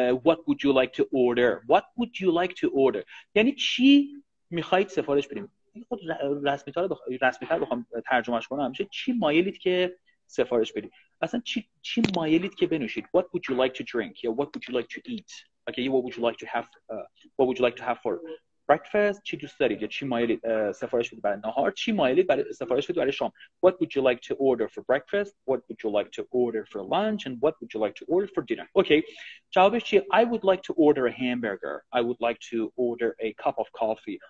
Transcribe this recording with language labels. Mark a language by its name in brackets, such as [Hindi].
[English] What would you like to order? What would you like to order? [Persian] یعنی چی میخواید سفارش بریم؟ این خود رسمی‌تر بخوام ترجمهش کنم میشه چی مایلید که سفارش بریم؟ اصلا چی مایلید که بنوشید؟ [English] What would you like to drink? Yeah, what would you like to eat? Okay, what would you like to have? What would you like to have for breakfast? [Persian] چی دوست دارید؟ یا چی مایلید سفارش بدید برای نهار؟ چی مایلید سفارش بدید برای شام؟ [English] What would you like to order for breakfast? What would you like to order for lunch? And what would you like to order for dinner? Okay. [Persian] جوابش چیه؟ [English] I would like to order a hamburger. I would like to order a cup of coffee.